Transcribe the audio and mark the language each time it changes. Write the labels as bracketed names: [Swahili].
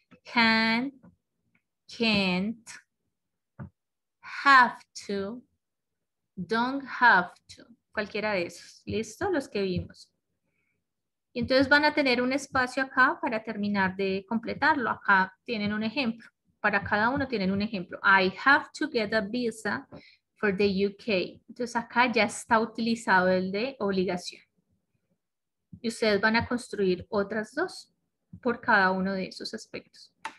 [English] Can, can't, have to, don't have to. [Spanish] Cualquiera de esos. ¿Listo? Los que vimos. Y entonces van a tener un espacio acá para terminar de completarlo. Acá tienen un ejemplo. Para cada uno tienen un ejemplo. [English] I have to get a visa for the UK. [Spanish] Entonces acá ya está utilizado el de obligación. Y ustedes van a construir otras dos por cada uno de esos aspectos.